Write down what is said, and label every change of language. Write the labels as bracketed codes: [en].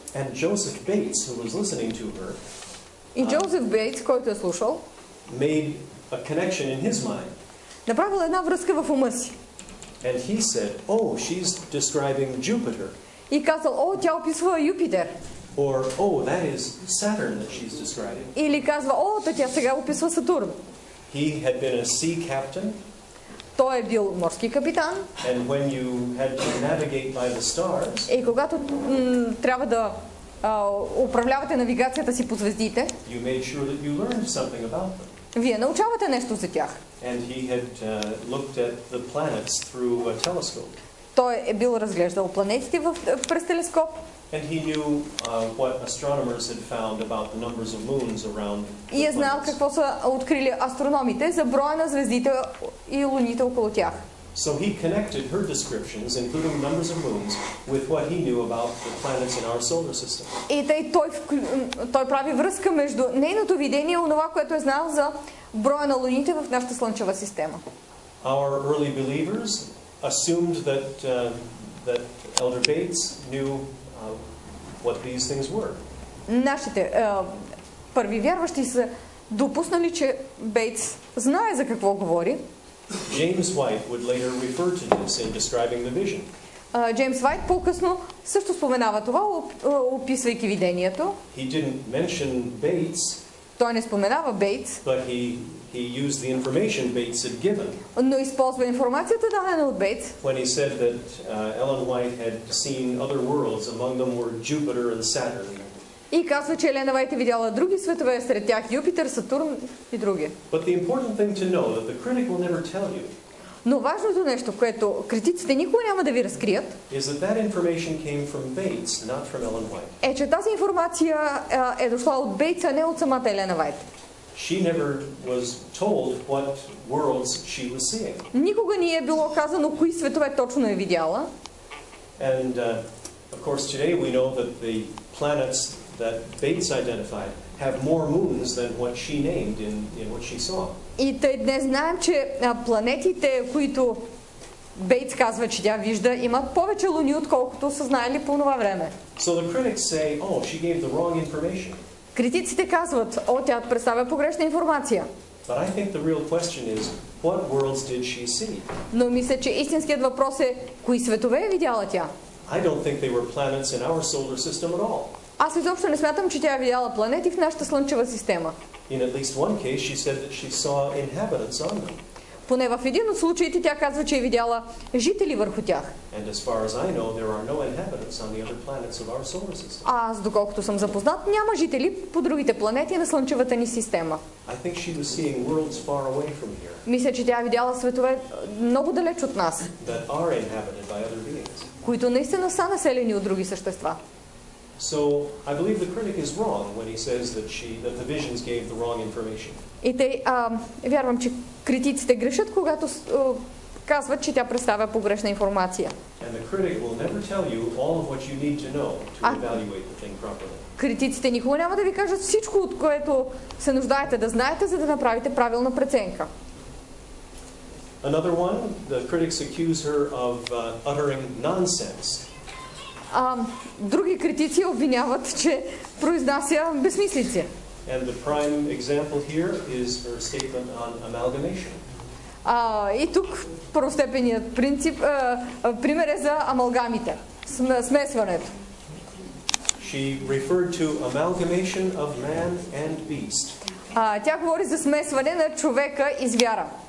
[en] And Joseph Bates, who was listening to her, [bg] и Джозеф Бейтс, който е слушал, [en] made a connection in his mind. [bg] Направил една връзка в ума си. [en] And he said, oh, she's describing Jupiter. [bg] И казал, о, тя описва Юпитер. [en] Or, oh, that is Saturn that she's describing. [bg] Или казва, о, тя сега описва Сатурн. [en] He had been a sea captain. [bg] Той е бил морски капитан. [en] And when you had to navigate by the stars. [bg] И когато трябва да управлявате навигацията си по звездите, [en] you made sure that you learned something about them. [bg] Вие научавате нещо за тях. [en] And he had looked at the planets through a telescope. [bg] Той е бил разглеждал планетите през телескоп. [en] And he knew what astronomers had found about the numbers of moons around. [bg] И е знал какво са открили астрономите за броя на звездите и луните около тях. [en] So he connected her descriptions, including numbers of moons, with what he knew about the planets in our solar system. [bg] И той прави връзка между нейното видение и онова, което е знал за броя на луните в нашата слънчева система. [en] Our early believers assumed that Elder Bates knew what these things were. [bg] Нашите първи вярващи са допуснали, че Бейтс знае за какво говори. [en] James White would later refer to this in describing the vision. [bg] James White по-късно също споменава това, описвайки видението. [en] He didn't mention Bates. [bg] Той не споменава Бейтс. [en] But he used the information Bates had given. [bg] Но използва информацията, дадена от Бейтс. [en] When he said that Ellen White had seen other worlds, among them were Jupiter and Saturn. [bg] И казва, че Елена Вайт е видяла други светове, сред тях Юпитер, Сатурн и други. [en] But the important thing to know that the critic will never tell you. [bg] Но важното нещо, което критиците никога няма да ви разкрият, [en] is that that information came from Bates, not from Ellen White. [bg] Е, че тази информация е дошла от Бейтс, а не от самата Елена Вайт. [en] She never was told what worlds she was seeing. [bg] Никога не е било казано кои светове точно е видяла. [en] And of course today we know that the planets that Bates identified have more moons than what she named in what she saw. [bg] И тъй днес знаем, че планетите, които Бейтс казва, че тя вижда, имат повече луни, отколкото са знаели по това време. [en] So the critics say, oh, she gave the wrong information. [bg] Критиците казват, о, тя представя погрешна информация. [en] But I think the real question is, what worlds did she see? [bg] Но мисля, че истинският въпрос е, кои светове е видяла тя? [en] I don't think they were planets in our solar system at all. [bg] Аз изобщо не смятам, че тя е видяла планети в нашата слънчева система. [en] In at least one case she said that she saw inhabitants on them. [bg] Поне в един от случаите тя казва, че е видяла жители върху тях. [en] And as far as I know, there are no inhabitants on the other planets of our solar system. [bg] Аз доколкото съм запознат, няма жители по другите планети на слънчевата ни система. [en] I think she was seeing worlds far away from here. [bg] Мисля, че тя е видяла светове много далеч от нас. [en] That are inhabited by other beings. [bg] Които наистина са населени от други същества. [en] So, I believe the critic is wrong when he says that the visions gave the wrong information. [bg] И те, вярвам, че критиците грешат, когато казват, че тя представя погрешна информация. [en] And the critic will never tell you all of what you need to know to evaluate the thing properly. [bg] Критиците никога няма да ви кажат всичко, от което се нуждаете да знаете, за да направите правилна преценка. [en] Another one, the critics accuse her of uttering nonsense. [bg] Други критици обвиняват, че произнася безсмислици. [en] And the prime example here is her statement on amalgamation. [bg] И тук първостепеният принцип, пример е за амалгамите, смесването. [en] She referred to amalgamation of man and beast. [bg] Тя говори за смесване на човека и звяра.